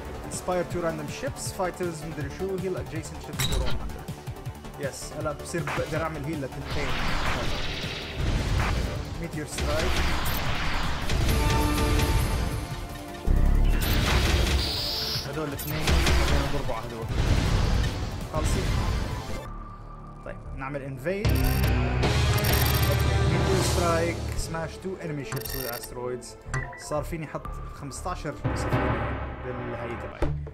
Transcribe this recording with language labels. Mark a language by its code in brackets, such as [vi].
[en] Inspire two random ships, fighters [ar] من دري شو هيل [en] adjacent ships to Roman. Yes, [ar] هلا بصير بقدر اعمل هيل لتنتين. [en] Meteor strike. [ar] هذول الاثنين بدنا نضربوا على هذول. خلصين. طيب نعمل invade. [en] Meteor strike, smash two enemy ships with asteroids. [ar] صار فيني حط 15 سفينة بالهي تبعي.